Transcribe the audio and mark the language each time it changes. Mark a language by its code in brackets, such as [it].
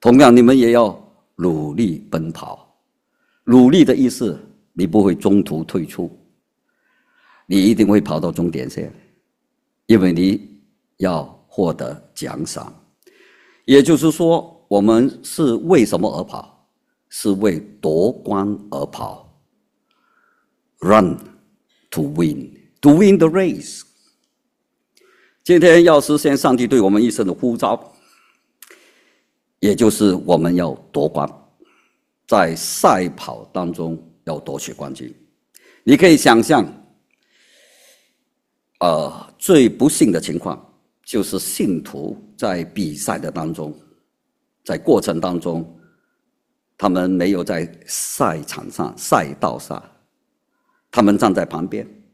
[zh] 同样，你们也要努力奔跑。努力的意思，你不会中途退出，你一定会跑到终点线，因为你要获得奖赏。也就是说，我们是为什么而跑？是为夺冠而跑。 [en] Run to win, to win the race。 [zh] 今天要实现上帝对我们一生的呼召，也就是我们要夺冠，在赛跑当中要夺取冠军。你可以想象，最不幸的情况就是信徒在比赛的当中，在过程当中，他们没有在赛场上、赛道上，他们站在旁边。